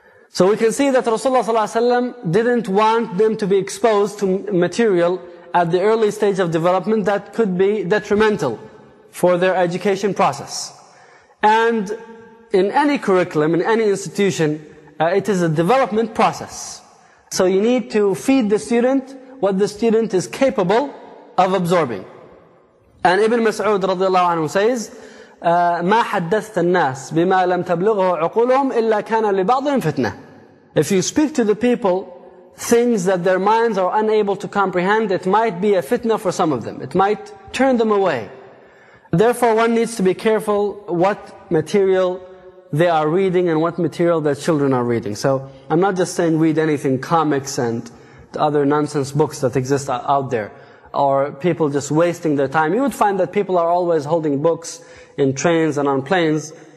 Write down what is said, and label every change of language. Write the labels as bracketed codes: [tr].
[en] So we can see that Rasulullah ﷺ didn't want them to be exposed to material at the early stage of development that could be detrimental for their education process. And in any curriculum, in any institution, it is a development process. So you need to feed the student what the student is capable of absorbing. And Ibn Mas'ud radiallahu anhu says, [ar] مَا حَدَّثْتَ النَّاسِ بِمَا لَمْ تَبْلِغَهُ عُقُولُهُمْ إِلَّا كَانَ لِبَعْضٍ فِتْنَةٍ. [en] If you speak to the people things that their minds are unable to comprehend, it might be a fitna for some of them. It might turn them away. Therefore, one needs to be careful what material they are reading and what material their children are reading. So I'm not just saying read anything, comics and other nonsense books that exist out there, or people just wasting their time. You would find that people are always holding books in trains and on planes.